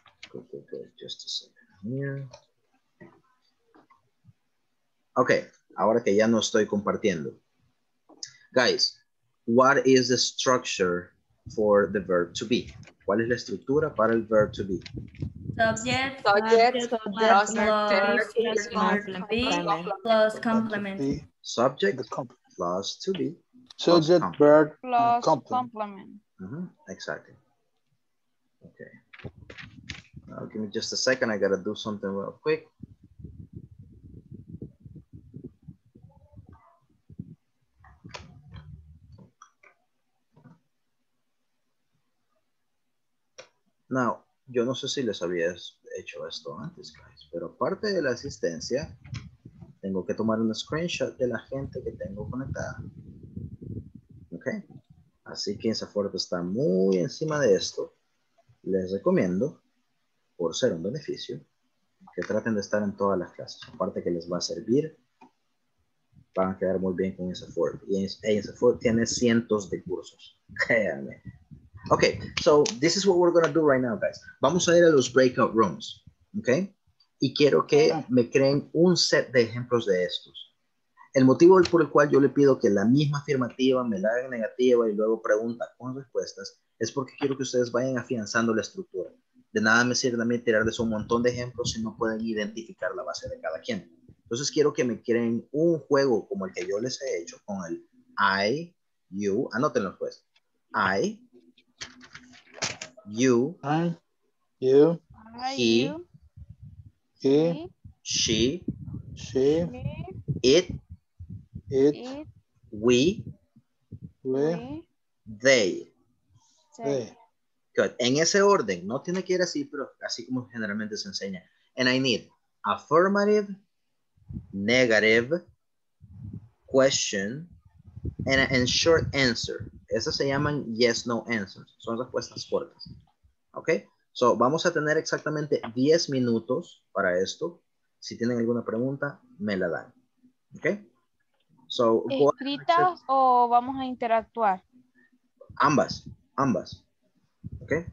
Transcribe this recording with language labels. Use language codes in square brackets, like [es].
[en] Good. Just a second here. [es] Okay, ahora que ya no estoy compartiendo. Guys. [en] What is the structure for the verb to be? [es] ¿Cuál es la estructura para el verb to be? [en] Subject, verb, plus complement. Mm-hmm. Exactly. Okay. Now give me just a second. I gotta do something real quick. [es] Now, yo no sé si les había hecho esto antes, guys, pero aparte de la asistencia, tengo que tomar un screenshot de la gente que tengo conectada. Ok. Así que INSAFORP está muy encima de esto. Les recomiendo, por ser un beneficio, que traten de estar en todas las clases. Aparte que les va a servir, van a quedar muy bien con INSAFORP. Y INSAFORP tiene cientos de cursos. Créanme. [en] Okay, so this is what we're going to do right now, guys. [es] Vamos a ir a los breakout rooms, [en] okay? [es] y quiero que me creen un set de ejemplos de estos. El motivo por el cual yo le pido que la misma afirmativa me la haga negativa y luego pregunta con respuestas es porque quiero que ustedes vayan afianzando la estructura. De nada me sirve a mí tirarles un montón de ejemplos si no pueden identificar la base de cada quien. Entonces quiero que me creen un juego como el que yo les he hecho con el I, you, anótenlo pues. [en] I, you, I, you, he, he, she, me, it, it, we, they. Good. [es] En ese orden, no tiene que ir así, pero así como generalmente se enseña. [en] And I need affirmative, negative, question, and short answer. [es] Esas se llaman yes, no answers. Son respuestas cortas. Ok. So, vamos a tener exactamente 10 minutos para esto. Si tienen alguna pregunta, me la dan. Ok. So, ¿escrita o vamos a interactuar? Ambas. Ambas. Ok.